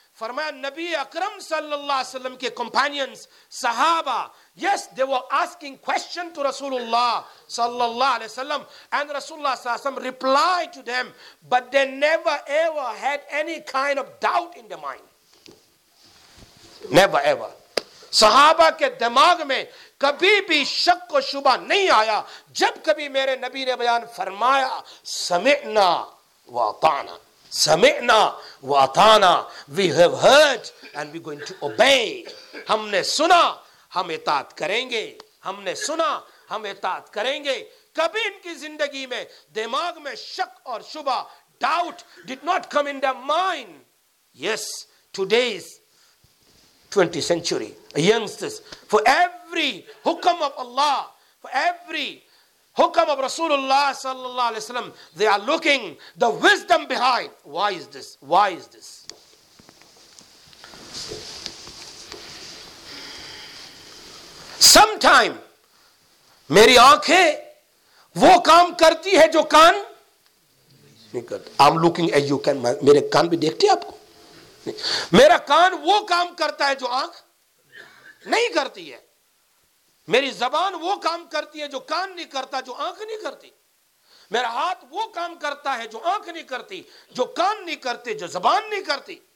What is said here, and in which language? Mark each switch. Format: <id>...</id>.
<ur>فرمایا نبی اکرم صلی اللہ علیہ وسلم کے کمپینینز صحابہ</ur> <en>yes they were asking question to رسول اللہ صلی اللہ علیہ وسلم and رسول اللہ صلی اللہ علیہ وسلم replied to them but they never ever had any kind of doubt in their mind. Never ever.</en> <ur>صحابہ کے دماغ میں کبھی بھی شک و شبہ نہیں آیا جب کبھی میرے نبی نے بیان فرمایا</ur> <ar>سمعنا واطعنا. سمعنا واطعنا.</ar> <en>We have heard and we're going to obey.</en> <ur>ہم نے سنا ہم اطاعت کریں گے. ہم نے سنا ہم اطاعت کریں گے. کبھی ان کی زندگی میں دماغ میں شک اور شبہ</ur> <en>doubt did not come in their mind. Yes, today's 20th century youngsters, for every hukam of Allah, for every hukam of Rasulullah sallallahu alaihi wasallam, they are looking the wisdom behind. Why is this? Why is this?</en> <ur>Sometime meri aankhein wo kaam karti hai jo kaan nahi karta.</ur> <en>I'm looking at you,</en> <ur>can mere kaan bhi dekhte hai aapko? میرا کان وہ کام کرتا ہے جو آنکھ نہیں کرتی ہے. میری زبان وہ کام کرتی ہے جو کان نہیں کرتا, جو آنکھ نہیں کرتی. میرا ہاتھ وہ کام کرتا ہے جو آنکھ نہیں کرتی, جو کان نہیں کرتے, جو زبان نہیں کرتی.</ur>